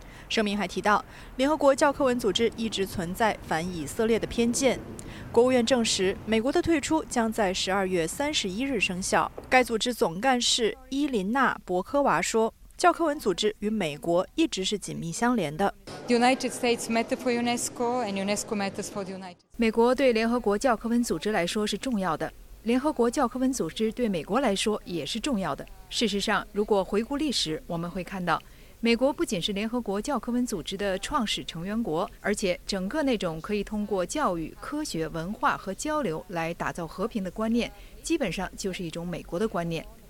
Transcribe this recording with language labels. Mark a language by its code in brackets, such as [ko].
[zh] 声明还提到，联合国教科文组织一直存在反以色列的偏见。国务院证实，美国的退出将在12月31日生效。该组织总干事伊琳娜·博科娃说，教科文组织与美国一直是紧密相连的。 [en] United States matter for UNESCO, and UNESCO matters for the United States. [zh] 美国对联合国教科文组织来说是重要的，联合国教科文组织对美国来说也是重要的。事实上，如果回顾历史，我们会看到，美国不仅是联合国教科文组织的创始成员国，而且整个那种可以通过教育、科学、文化和交流来打造和平的观念，基本上就是一种美国的观念。